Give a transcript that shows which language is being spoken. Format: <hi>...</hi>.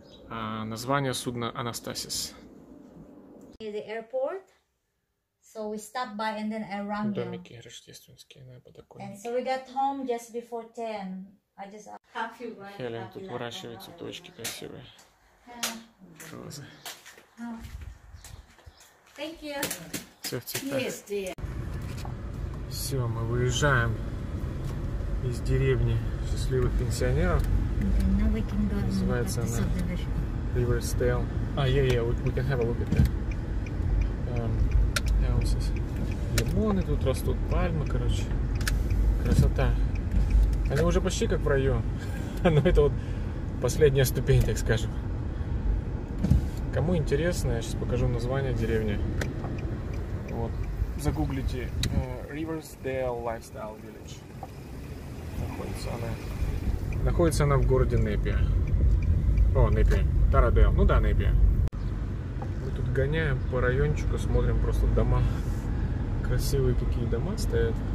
<ru>А название судна Анастасис.</ru> <en>The airport. So we stopped by and then I rang.</en> <ru>Домики рождественские на подоконнике.</ru> <en>And so we got home just before 10. I just have you right.</en> <ru>Хелен тут выращивает цветочки красивые. Розы.</ru> <en>Thank you.</en> <ru>Все в цветах.</ru> <en>Yes, dear.</en> <ru>Все, мы выезжаем из деревни счастливых пенсионеров. Называется она Riversdale.</ru> <en>We can have a look at the houses.</en> <ru>Лимоны тут растут, пальмы, короче. Красота. Они уже почти как в раю. Но это вот последняя ступень, так скажем. Кому интересно, я сейчас покажу название деревни. Вот. Загуглите Riversdale Lifestyle Village. Находится она в городе Непи. О, Непи. Тарадейл. Ну да, Непи. Мы тут гоняем по райончику, смотрим просто дома. Красивые такие дома стоят.</ru>